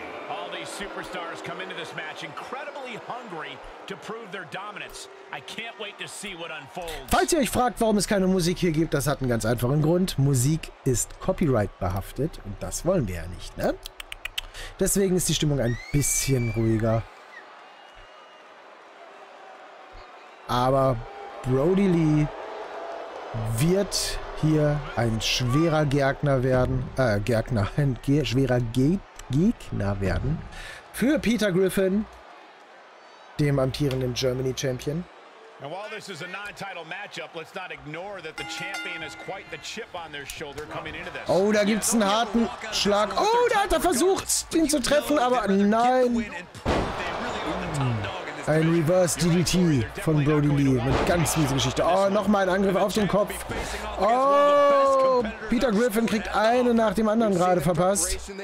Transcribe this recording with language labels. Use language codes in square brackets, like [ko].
[en] All these superstars come into this match incredibly hungry to prove their dominance. I can't wait to see what unfolds. [de] Falls ihr euch fragt, warum es keine Musik hier gibt, das hat einen ganz einfachen Grund. Musik ist Copyright behaftet und das wollen wir ja nicht, ne? Deswegen ist die Stimmung ein bisschen ruhiger. Aber Brody Lee wird hier ein schwerer Gegner werden. Gegner werden für Peter Griffin, dem amtierenden Germany Champion. [en] And while this is a non-title matchup, let's not ignore that the champion is quite the chip on their shoulder coming into this. [de] Oh, da gibt's einen harten Schlag. Oh, da hat er versucht, ihn zu treffen, aber nein. Ein Reverse DDT von Brody Lee. Eine ganz miese Geschichte. Oh, nochmal ein Angriff auf den Kopf. Oh, Peter Griffin kriegt eine nach dem anderen gerade verpasst.